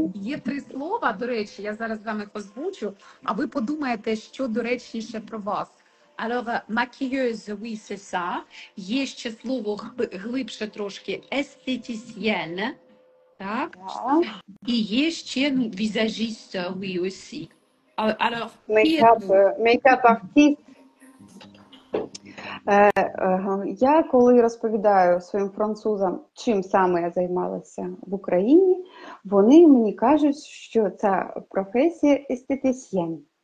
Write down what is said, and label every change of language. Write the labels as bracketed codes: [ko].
[uk] Є три слова, до речі, я зараз з вами озвучу, а ви подумаєте, що доречніше про вас. [fr] Alors, maquilleuse, oui, c'est ça. [uk] Є ще слово глибше трошки, esthéticienne. Так. І є ще, ну, візажист, [fr] oui, aussi. Alors, qui [uk] Мейкап артист. Я коли розповідаю своїм французам, чим саме я займалася в Україні, вони мені кажуть, що це професія естетисьєн.